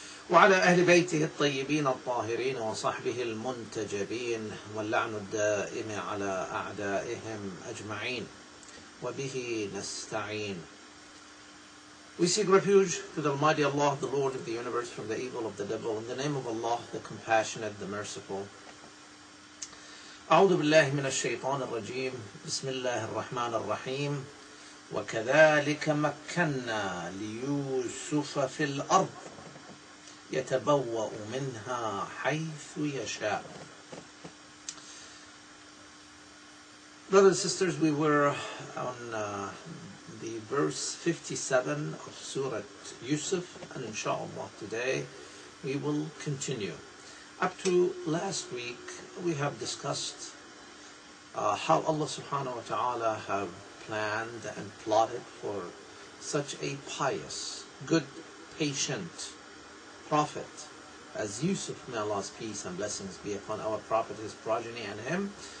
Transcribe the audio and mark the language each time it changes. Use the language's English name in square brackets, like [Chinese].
[Arabic] وعلى أهل بيته الطيبين الطاهرين وصحبه المنتجبين، واللعن الدائم على أعدائهم أجمعين، وبه نستعين. [English] We seek refuge to the Almighty Allah, the Lord of the universe, from the evil of the devil. In the name of Allah, the compassionate, the merciful. [Arabic] أعوذ بالله من الشيطان الرجيم. بسم الله الرحمن الرحيم. وكذلك مكنا ليوسف في الأرض يتبوأ منها حيث يشاء. [English] Brothers and sisters, we were on the verse 57 of Surah Yusuf, and inshallah today we will continue. Up to last week we have discussed how Allah subhanahu wa ta'ala have planned and plotted for such a pious, good, patient Prophet as Yusuf, may Allah's peace and blessings be upon our Prophet, his progeny, and him.